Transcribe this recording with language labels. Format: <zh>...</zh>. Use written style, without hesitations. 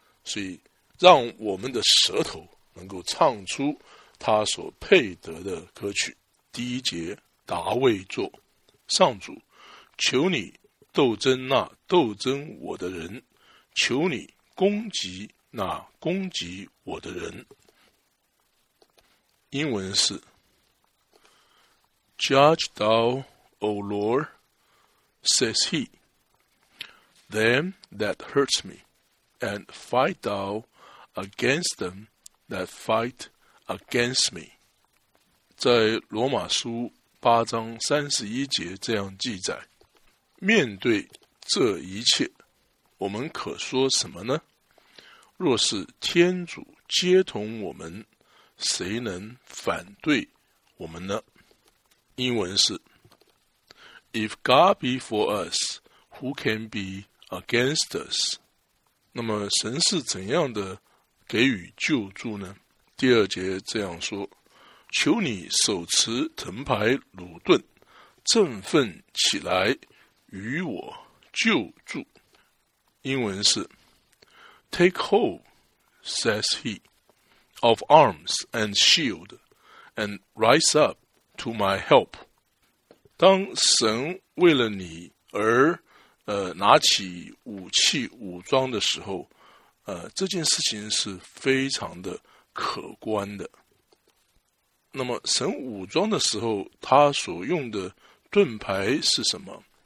<zh>所以让我们的舌头能够唱出他所配得的歌曲。第一节，达味作：上主，求你斗争那斗争我的人，求你攻击那攻击我的人。英文是</zh> <en>Judge thou, O Lord, says he, them that hurts me, and fight thou against them that fight against me.</en> <zh>在罗马书八章31节这样记载，面对这一切，我们可说什么呢？若是天主接同我们，谁能反对我们呢？英文是</zh> <en>If God be for us, who can be against us?</en> <zh>那么神是怎样的给予救助呢？第二节这样说，求你手持藤牌鲁顿，振奋起来，与我救助。英文是</zh> <en>Take hold, says he, of arms and shield, and rise up to my help.</en> <zh>当神为了你而拿起武器武装的时候，这件事情是非常的可观的。那么神武装的时候，他所用的盾牌是什么？</zh>